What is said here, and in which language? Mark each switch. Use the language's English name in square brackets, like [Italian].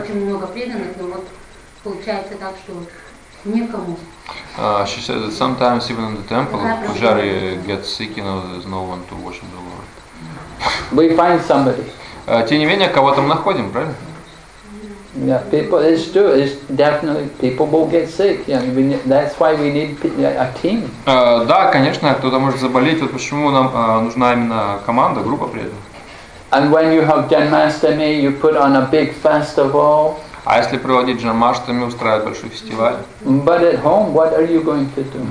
[Russian] очень много преданных, но вот получается так, что некому. [English] She said that sometimes even in the temple, Pujari gets sick, you know, there's no one to worship the Lord. We find somebody. [Russian] Тем не менее, кого-то мы находим, правильно? [English] Yeah, people. It's true. It's definitely people will get sick. Yeah, that's why we need a team. [Russian] Да, конечно, кто-то может заболеть. Вот почему нам нужна именно команда, группа преданных. [English] And when you have Janmashtami, you put on a big festival. [Russian] А если проводить Джанмаштами, устраивает большой фестиваль. [English] But at home, what are you going to do?